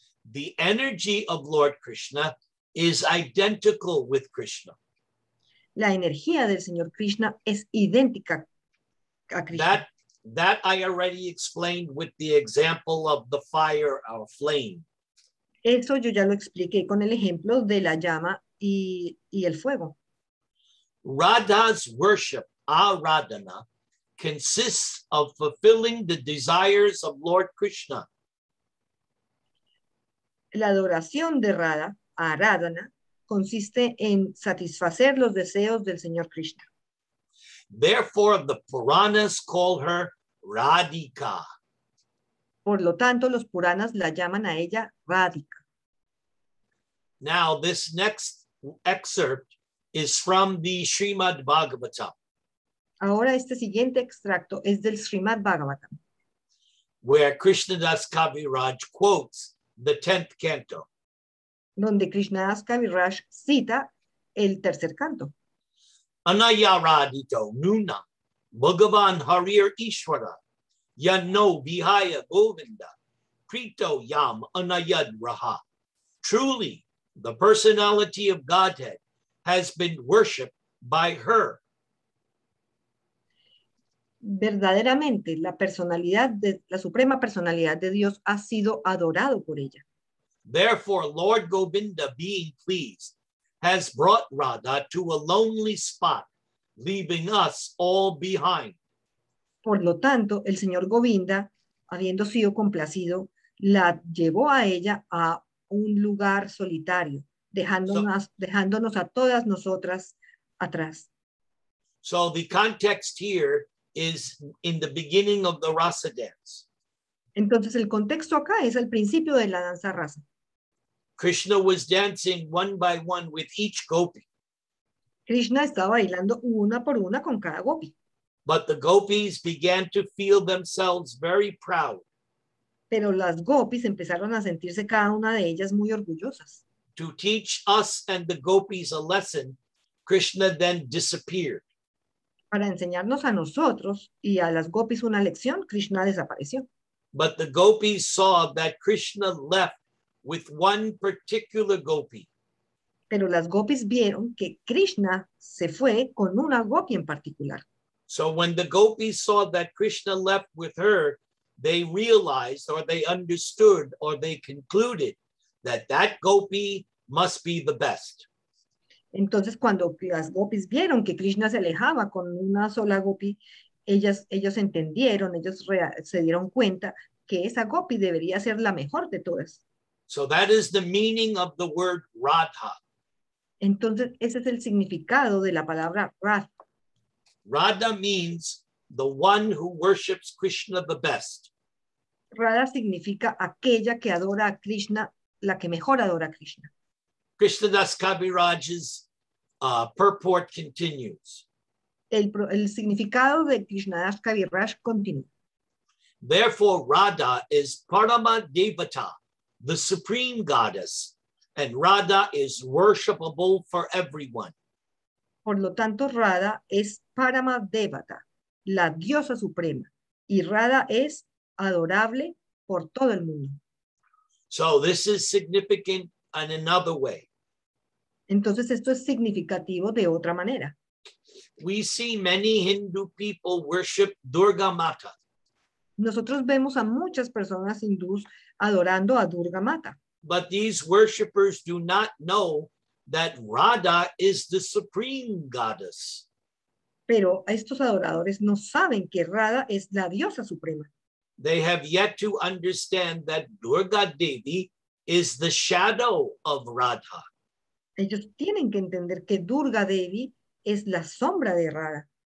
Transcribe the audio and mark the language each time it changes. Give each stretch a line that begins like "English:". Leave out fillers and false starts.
English: the energy of Lord Krishna is identical with Krishna.
Spanish: La energía del Señor Krishna es idéntica a Krishna.
English: That I already explained with the example of the fire or flame.
Spanish: Eso yo ya lo expliqué con el ejemplo de la llama y el fuego.
English: Radha's worship, Aradhana, consists of fulfilling the desires of Lord Krishna.
Spanish: La adoración de Radha, Aradhana, consiste en satisfacer los deseos del Señor Krishna.
English: Therefore, the Puranas call her Radhika.
Spanish: Por lo tanto, los Puranas la llaman a ella Radhika.
English: Now, this next excerpt is from the Srimad Bhagavatam.
Spanish: Ahora, este siguiente extracto es del Srimad Bhagavatam.
English: Where Krishnadas Kaviraj quotes the 10th canto.
Spanish: Donde Krishnadas Kaviraj cita el tercer canto.
Sanskrit: Anaya Radhito Nuna Bhagavan Harir Ishwara Yanno Vihaya Govinda Prito Yam Anayad Raha.
English: Truly, the personality of Godhead has been worshipped by her.
Spanish: Verdaderamente, la personalidad de la suprema personalidad de Dios ha sido adorado por ella.
English: Therefore, Lord Govinda, being pleased, has brought Radha to a lonely spot, leaving us all behind.
Spanish: Por lo tanto, el señor Govinda, habiendo sido complacido, la llevó a ella a un lugar solitario, dejándonos a todas nosotras atrás.
English: So the context here is in the beginning of the rasa dance.
Spanish: Entonces el contexto acá es el principio de la danza rasa.
English: Krishna was dancing one by one with each gopi.
Spanish: Krishna estaba bailando una por una con cada gopi.
English: But the gopis began to feel themselves very proud.
Spanish: Pero las gopis empezaron a sentirse cada una de ellas muy orgullosas.
English: To teach us and the gopis a lesson, Krishna then disappeared.
Spanish: Para enseñarnos a nosotros y a las gopis una lección, Krishna desapareció.
English: But the gopis saw that Krishna left with one particular gopi.
Spanish: Pero las gopis vieron que Krishna se fue con una gopi en particular.
English: So when the gopis saw that Krishna left with her, they realized or they understood or they concluded that that gopi must be the best.
Spanish: Entonces, cuando las gopis vieron que Krishna se alejaba con una sola gopi, ellos entendieron, se dieron cuenta que esa gopi debería ser la mejor de todas.
English: So that is the meaning of the word Radha.
Spanish: Entonces, ese es el significado de la palabra Radha.
English: Radha means the one who worships Krishna the best.
Spanish: Radha significa aquella que adora a Krishna, la que mejor adora a Krishna.
English: Krishnadas Kaviraj's purport continues.
Spanish: El significado de Krishnadas Kaviraj continúa.
English: Therefore, Radha is Parama Devata, the supreme goddess, and Radha is worshipable for everyone.
Spanish: Por lo tanto, Radha es Parama Devata, la diosa suprema, y Radha es adorable por todo el mundo.
English: So this is significant in another way.
Spanish: Entonces esto es significativo de otra manera.
English: We see many Hindu people worship Durga Mata.
Spanish: Nosotros vemos a muchas personas hindús adorando a Durga Mata.
English: But these worshippers do not know that Radha is the supreme goddess.
Spanish: Pero estos adoradores no saben que Radha es la diosa suprema.
English: They have yet to understand that Durga Devi is the shadow of Radha.
Spanish: Ellos tienen que entender que Durga Devi es la sombra de Radha.